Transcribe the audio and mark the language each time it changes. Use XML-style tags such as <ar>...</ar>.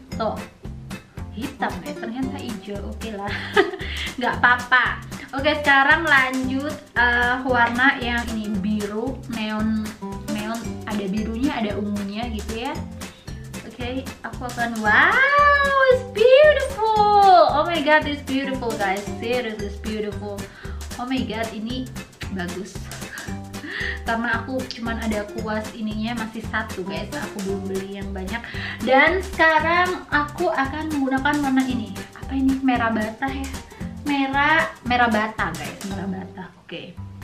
<id>Tuh, hitam ya, ternyata hijau. Oke okay lah, nggak apa-apa. Oke, sekarang lanjut warna yang ini biru neon. Neon ada birunya, ada ungunya gitu ya. Oke, aku akan</id> <en>wow, it's beautiful. Oh my god, it's beautiful guys. Seriously, it's beautiful. Oh my god,</en> <id>ini bagus. Karena aku cuman ada kuas ininya masih satu guys. Aku belum beli yang banyak. Dan sekarang aku akan menggunakan warna ini. Apa ini? Merah bata ya. Merah bata guys, merah bata. Oke.</id>